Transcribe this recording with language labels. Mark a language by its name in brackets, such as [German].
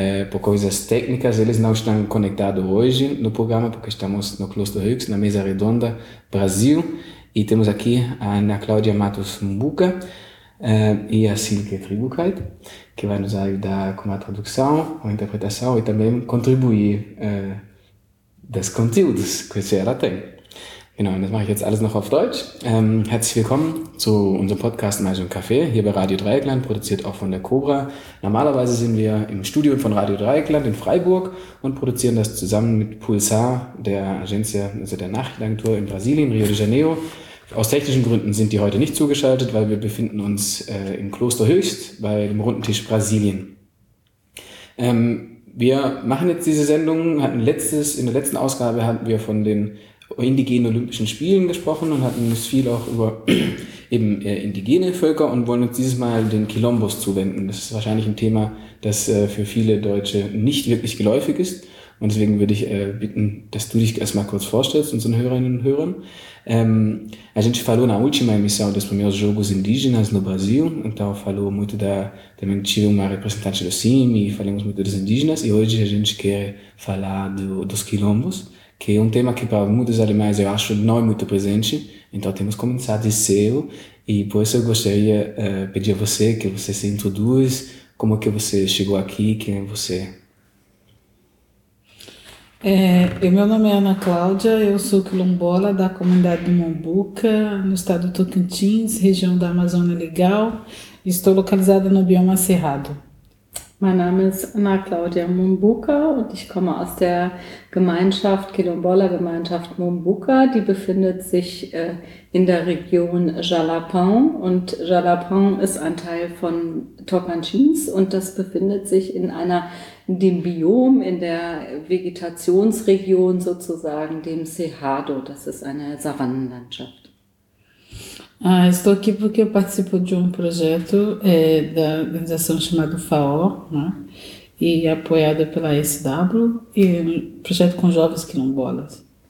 [Portuguese] Por coisas técnicas, eles não estão conectados hoje no programa, porque estamos no Kloster Rix, na Mesa Redonda, Brasil. E temos aqui a Ana Cláudia Matos Mbuca e a Silke Tribukait, que vai nos ajudar com a tradução, com a interpretação e também contribuir dos conteúdos que você ela tem. [German] Genau, das mache ich jetzt alles noch auf Deutsch. Herzlich willkommen zu unserem Podcast Mais un Café hier bei Radio Dreieckland, produziert auch von der Cobra. Normalerweise sind wir im Studio von Radio Dreieckland in Freiburg und produzieren das zusammen mit Pulsar, der Agencia, also der Nachrichtenagentur in Brasilien, Rio de Janeiro. Aus technischen Gründen sind die heute nicht zugeschaltet, weil wir befinden uns im Kloster Höchst bei dem Rundentisch Brasilien. Wir machen jetzt diese Sendung, in der letzten Ausgabe hatten wir von den indigenen Olympischen Spielen gesprochen und hatten uns viel auch über eben indigene Völker und wollen uns dieses Mal den Quilombos zuwenden. Das ist wahrscheinlich ein Thema, das für viele Deutsche nicht wirklich geläufig ist. Und deswegen würde ich bitten, dass du dich erstmal kurz vorstellst, unseren Hörerinnen und Hörern. [Portuguese] A gente falou na última emissão dos primeiros jogos indígenas no Brasil, então falou muito da, também tive uma representante do CIMI, falamos muito dos indígenas e hoje a gente quer falar dos quilombos, que é um tema que para muitos alemães eu acho não é muito presente, então temos começado de cedo e por isso eu gostaria de pedir a você que você se introduz, como que você chegou aqui, quem é você? Meu nome é Ana Cláudia, eu sou quilombola da comunidade de Mombuca, no estado do Tocantins, região da Amazônia Legal, e estou localizada no bioma Cerrado. [German] Mein Name ist Ana Cláudia Mombuca und ich komme aus der Gemeinschaft, Quilombola-Gemeinschaft Mombuca, die befindet sich in der Region Jalapão und Jalapão ist ein Teil von Tocantins und das befindet sich in dem Biom, in der Vegetationsregion sozusagen, dem Cerrado, das ist eine Savannenlandschaft. [Portuguese] Estou aqui porque eu participo de um projeto da organização chamada FAO, né? E apoiada pela SW, e um projeto com jovens quilombolas.